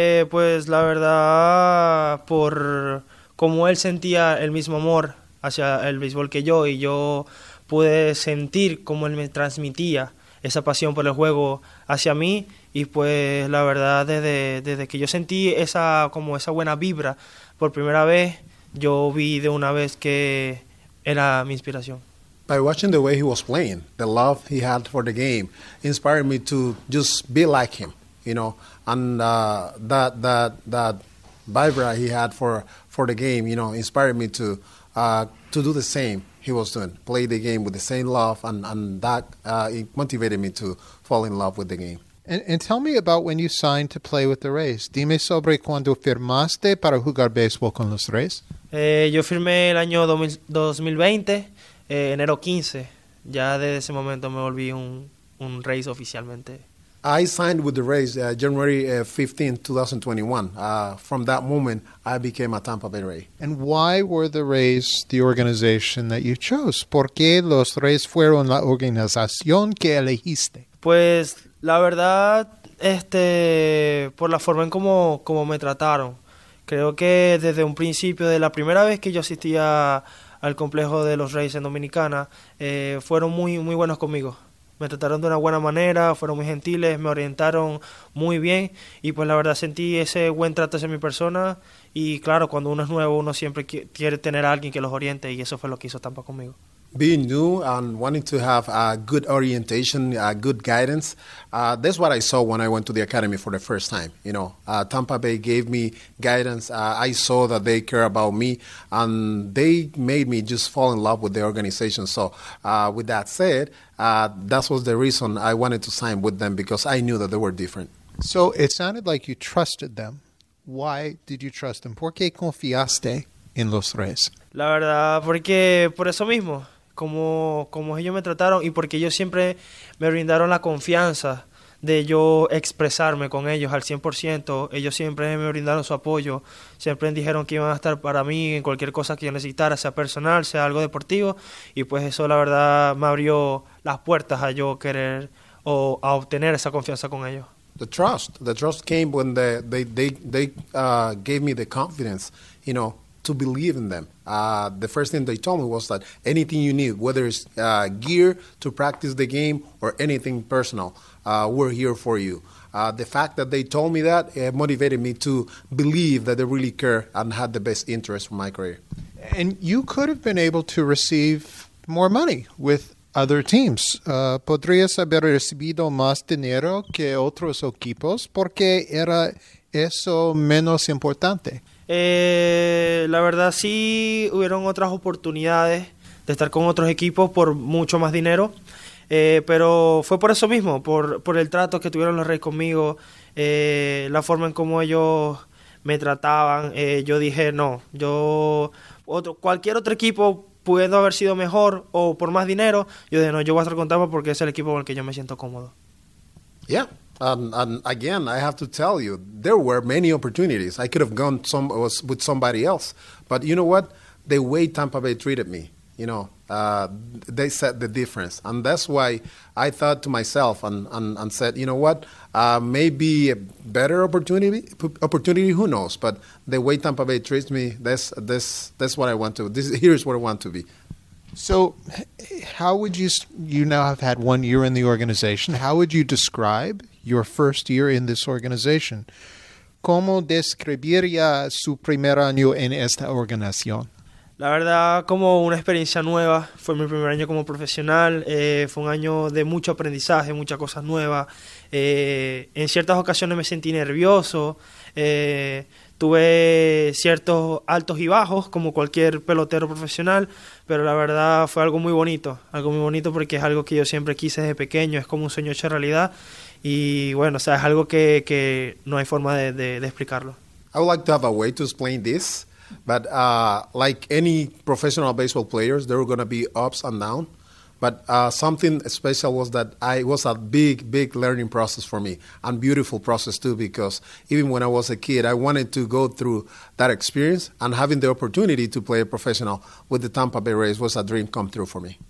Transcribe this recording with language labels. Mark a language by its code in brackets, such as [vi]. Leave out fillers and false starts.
[es] Pues la verdad, por cómo él sentía el mismo amor hacia el béisbol que yo y yo pude sentir cómo él me transmitía esa pasión por el juego hacia mí y pues la verdad desde que yo sentí esa como esa buena vibra por primera vez yo vi de una vez que era mi inspiración. [en] By watching the way he was playing, the love he had for the game inspired me to just be like him, you know, and that vibra he had for the game, you know, inspired me to do the same. He was doing, play the game with the same love, and that motivated me to fall in love with the game. And tell me about when you signed to play with the Rays. [es] Dime sobre cuando firmaste para jugar béisbol con los Rays. Yo firmé el año 2020, enero 15. Ya desde ese momento me volví un Rays oficialmente. [en] I signed with the Rays January 15, 2021. From that moment, I became a Tampa Bay Ray. And why were the Rays the organization that you chose? [es] ¿Por qué los Rays fueron la organización que elegiste? Pues, la verdad, por la forma en como me trataron. Creo que desde un principio, de la primera vez que yo asistía al complejo de los Rays en Dominicana, fueron muy, muy buenos conmigo. Me trataron de una buena manera, fueron muy gentiles, me orientaron muy bien y pues la verdad sentí ese buen trato hacia mi persona y claro, cuando uno es nuevo, uno siempre quiere tener a alguien que los oriente y eso fue lo que hizo Tampa conmigo. [en] Being new and wanting to have a good orientation, a good guidance, that's what I saw when I went to the academy for the first time. You know, Tampa Bay gave me guidance. I saw that they care about me and they made me just fall in love with the organization. So with that said, that was the reason I wanted to sign with them because I knew that they were different. So it sounded like you trusted them. Why did you trust them? [es] ¿Por qué confiaste en los Rays? La verdad, porque por eso mismo, como ellos me trataron y porque ellos siempre me brindaron la confianza de yo expresarme con ellos al 100%. Ellos siempre me brindaron su apoyo, siempre dijeron que iban a estar para mí en cualquier cosa que yo necesitara, sea personal, sea algo deportivo. Y pues eso la verdad me abrió las puertas a yo querer o a obtener esa confianza con ellos. [en] The trust came when they gave me the confidence, you know, to believe in them. The first thing they told me was that anything you need, whether it's gear to practice the game or anything personal, we're here for you. The fact that they told me that, it motivated me to believe that they really care and had the best interest for my career. And you could have been able to receive more money with other teams. [es] ¿Podrías haber recibido más dinero que otros equipos? ¿Por qué era eso menos importante? La verdad, sí hubieron otras oportunidades de estar con otros equipos por mucho más dinero. Pero fue por eso mismo, por el trato que tuvieron los Reyes conmigo, la forma en cómo ellos me trataban. Yo dije, no, yo cualquier otro equipo pudiendo haber sido mejor o por más dinero, yo dije, no, yo voy a estar con Tampa porque es el equipo con el que yo me siento cómodo. [en] Yeah. And again, I have to tell you, there were many opportunities. I could have gone with somebody else. But you know what? The way Tampa Bay treated me, you know, they set the difference. And that's why I thought to myself and said, you know what? Maybe a better opportunity, who knows? But the way Tampa Bay treats me, that's what I want to. Here's what I want to be. So how would you now have had 1 year in the organization. How would you describe your first year in this organization? [es] ¿Cómo describiría su primer año en esta organización? La verdad, como una experiencia nueva. Fue mi primer año como profesional. Fue un año de mucho aprendizaje, muchas cosas nuevas. En ciertas ocasiones me sentí nervioso. Tuve ciertos altos y bajos, como cualquier pelotero profesional. Pero la verdad, fue algo muy bonito. Algo muy bonito porque es algo que yo siempre quise desde pequeño. Es como un sueño hecho realidad. Y bueno, o sea, es algo que no hay forma de explicarlo. [en] I would like to have a way to explain this, but like any professional baseball players, there were going to be ups and downs. But something special was that it was a big, big learning process for me, and beautiful process too, because even when I was a kid, I wanted to go through that experience, and having the opportunity to play a professional with the Tampa Bay Rays was a dream come true for me.